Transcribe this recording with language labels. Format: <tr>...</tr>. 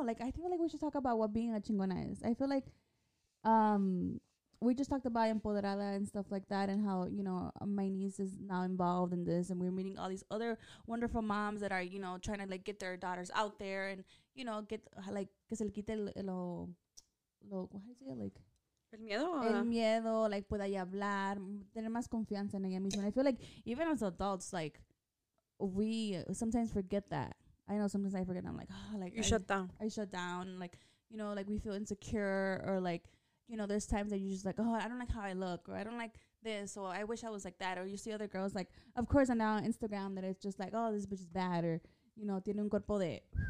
<en>Like, I feel like we should talk about what being a chingona is. I feel like we just talked about empoderada and stuff like that, and how, you know, my niece is now involved in this, and we're meeting all these other wonderful moms that are, you know, trying to, like, get their daughters out there and, you know, get, like,</en> <es>que se le quite lo...</es> <en>Look, what is it like?</en> <es>El miedo. El miedo, like, pueda ya hablar, tener más confianza en ella misma.</es> <en>I feel like even as adults, like, we sometimes forget that. I know sometimes I forget. I'm like, oh, like, you shut down. I shut down. Like, you know, like, we feel insecure, or like, you know, there's times that you're just like, oh, I don't like how I look, or I don't like this, or I wish I was like that. Or you see other girls, like, of course, and now on Instagram that it's just like, oh, this bitch is bad, or, you know,</en> <es>tiene un cuerpo de.</es>